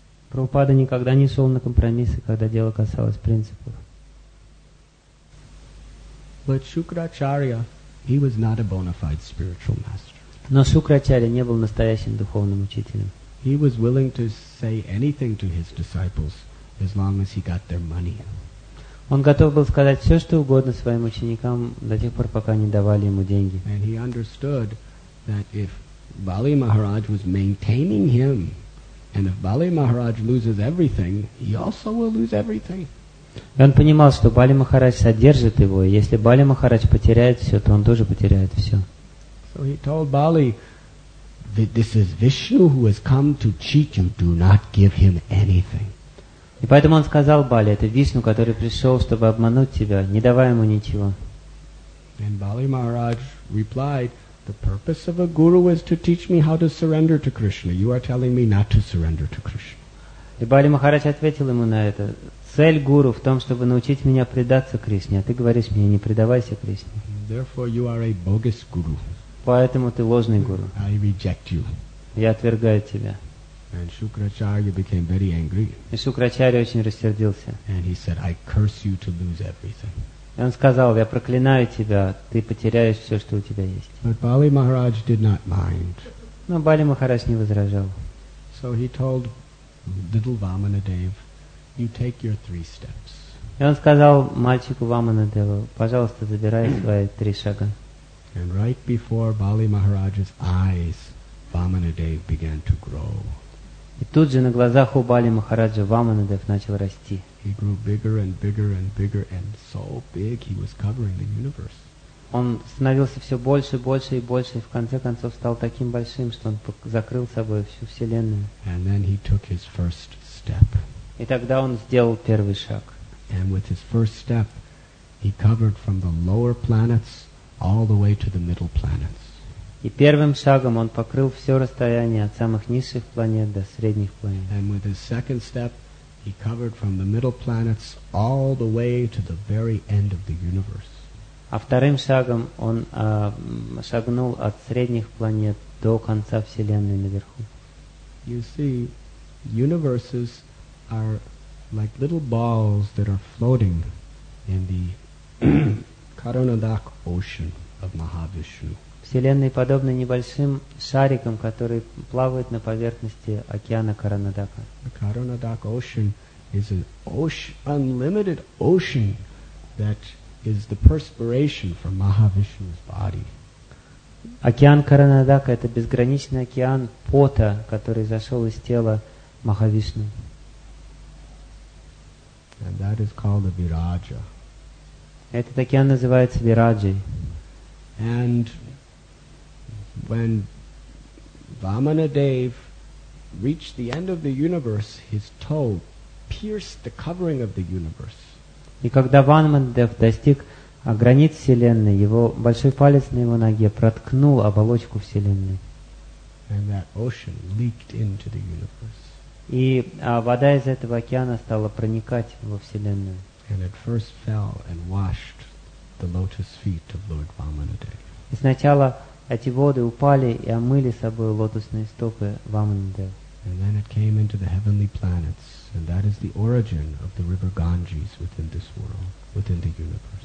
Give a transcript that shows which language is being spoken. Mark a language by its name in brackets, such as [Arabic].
[Russian] Прабхупада никогда не шел на компромиссы, когда дело касалось принципов. [English] But Shukracharya, he was not a bona fide spiritual master. [Russian] Но Шукрачарья не был настоящим духовным учителем. [English] He was willing to say anything to his disciples as long as he got their money. [Russian] Он готов был сказать все, что угодно своим ученикам до тех пор, пока они давали ему деньги. [English] And he understood that if Bali Maharaj was maintaining him, and if Bali Maharaj loses everything, he also will lose everything. [Russian] И он понимал, что Бали Махарадж содержит его, и если Бали Махарадж потеряет все, то он тоже потеряет все. [English] So he told Bali that this is Vishnu who has come to cheat you. Do not give him anything. [Russian] И поэтому он сказал Бали, это Вишну, который пришел, чтобы обмануть тебя. Не давай ему ничего. [English] And Bali Maharaj replied, "The purpose of a guru is to teach me how to surrender to Krishna. You are telling me not to surrender to Krishna." [Russian] И Бали Махарадж ответил ему на это: цель гуру в том, чтобы научить меня предаться Кришне. А ты говоришь мне, не предавайся Кришне. [English] Therefore, you are a bogus guru. [Russian] Поэтому ты ложный гуру. [English] I reject you. [Russian] Я отвергаю тебя. [English] And Shukracharya became very angry. [Russian] И Шукрачарья очень рассердился. [English] And he said, "I curse you to lose everything." [Russian] И он сказал, я проклинаю тебя, ты потеряешь все, что у тебя есть. [English] But Bali Maharaj did not mind. [Russian] Но Бали Махарадж не возражал. [English] So he told little Vamanadev, "You take your three steps." [Russian] И он сказал мальчику Ваманадеву, пожалуйста, забирай свои три шага. [English] And right before Bali Maharaj's eyes, Vamanadev began to grow. [Russian] И тут же на глазах у Бали Махараджа Ваманадев начал расти. [English] He grew bigger and bigger and bigger and so big he was covering the universe. [Russian] он становился все больше, больше и больше, и в конце концов стал таким большим, что он закрыл собой всю Вселенную. [English] And then he took his first step. [Russian] И тогда он сделал первый шаг. [English] And with his first step, he covered from the lower planets all the way to the middle planets. [Russian] И первым шагом он покрыл все расстояние от самых низших планет до средних планет. [English] And with his second step, he covered from the middle planets all the way to the very end of the universe. [Russian] А вторым шагом он шагнул от средних планет до конца Вселенной наверху. [English] You see, universes are like little balls that are floating in the Karunadak ocean of Mahavishnu. [Russian] Вселенные подобны небольшим шарикам, которые плавают на поверхности океана Каранадака. [English] The Karunadak ocean is an unlimited ocean that is the perspiration from Mahavishnu's body. [Russian] Океан Каранадака — это безграничный океан пота, который зашел из тела Махавишну. [English] And that is called the Viraja. [Russian] Этот океан называется Вираджей. [English] And when Vamanadev reached the end of the universe, his toe pierced the covering of the universe. [Russian] И когда Ванманадев достиг границ Вселенной, его большой палец на его ноге проткнул оболочку Вселенной. [English] And that ocean leaked into the universe. [Russian] И вода из этого океана стала проникать во Вселенную. [English] And it first fell and washed the lotus feet of Lord Vamanadeva. [Russian] И сначала эти воды упали и омыли собой лотосные стопы Вамандева. [English] And then it came into the heavenly planets, and that is the origin of the river Ganges within this world, within the universe.